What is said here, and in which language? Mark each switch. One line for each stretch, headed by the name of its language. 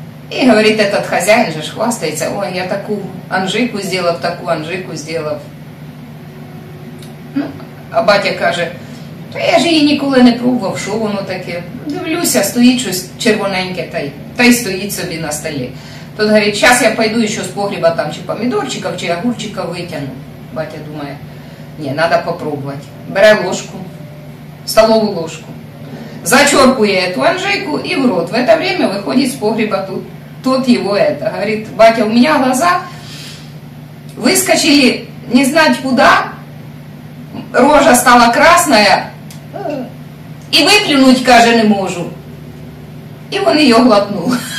Russian: И говорит этот хозяин же, хвастается, ой, я такую Анжику сделав.
Ukrainian: Ну, а батя каже, я же її ніколи не пробував, що воно таке. Дивлюся, стоїть щось червоненьке, та й стоїть собі на столі. Тут говорить, зараз я пойду ще з погріба там, чи помідорчиків, чи огурчиків витягну. Батя думає, ні, треба попробувати. Бере ложку, столову ложку, зачерпує ту Анжику і в рот. В це час виходить з погріба тут.
Russian: Тот его это. Говорит, батя, у меня глаза выскочили не знать куда, рожа стала красная, и выплюнуть, каже, не могу. И он ее глотнул.